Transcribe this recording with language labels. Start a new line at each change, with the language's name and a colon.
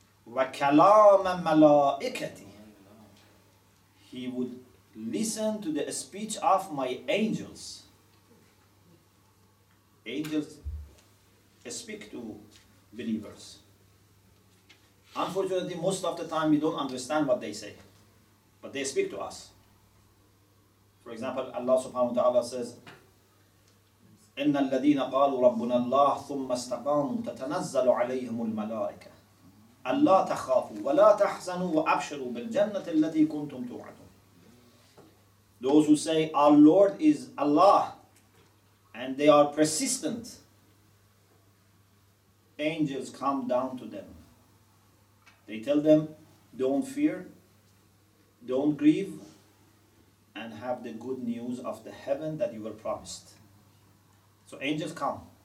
Arabic: وَكَلَامَ مَلَائِكَتِ
English: He would listen to the speech of my angels. Angels speak to believers. Unfortunately, most of the time we don't understand what they say. But they speak to us. For example, Allah subhanahu wa ta'ala says,
Arabic: إن الذين قالوا ربنا الله ثم استقاموا تتنزل عليهم الملائكة ألا تخافوا ولا تحزنوا وأبشروا بالجنة التي كنتم توعدون.
English: Those who say our Lord is Allah and they are persistent, angels come down to them. They tell them, don't fear, don't grieve, and have the good news of the heaven that you were promised. So angels come.